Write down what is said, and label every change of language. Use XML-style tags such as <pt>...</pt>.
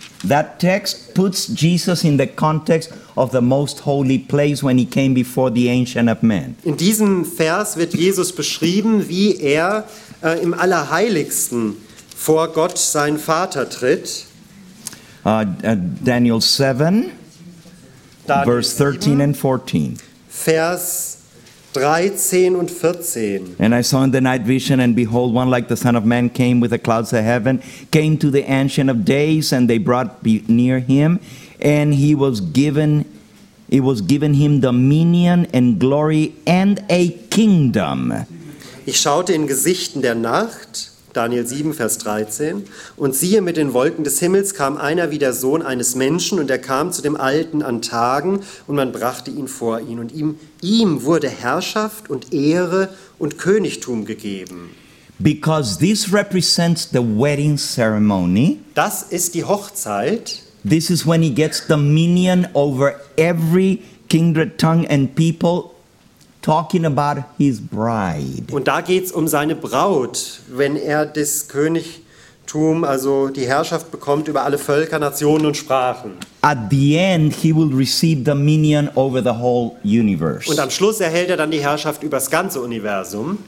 <en>That text puts Jesus in the context of the most holy place when he came before the Ancient of Men.</en> <de>In diesem Vers wird Jesus beschrieben, wie er im Allerheiligsten vor Gott, sein Vater, tritt.</de> <en>Daniel 7, Daniel verse 13 and 14.</en> <de>Vers 13 und 14.</de> <en>And I saw in the night vision, and behold, one like the Son of Man came with the clouds of heaven, came to the Ancient of Days, and they brought near him. And it was given him dominion and glory and a kingdom.</en> <de>Ich schaute in Gesichten der Nacht, Daniel 7, Vers 13, und siehe, mit den Wolken des Himmels kam einer wie der Sohn eines Menschen, und er kam zu dem Alten an Tagen, und man brachte ihn vor ihn, und ihm wurde Herrschaft und Ehre und Königtum gegeben.</de> <en>Because this represents the wedding ceremony.</en> <de>Das ist die Hochzeit.</de> <en>This is when he gets dominion over every kindred, tongue and people, talking about his bride.</en> <de>Und da geht's um seine Braut, wenn er das Königtum, also die Herrschaft bekommt über alle Völker, Nationen und Sprachen.</de> <en>At the end he will receive dominion over the whole universe.</en> <de>Und am Schluss erhält er dann die Herrschaft über das ganze Universum.</de>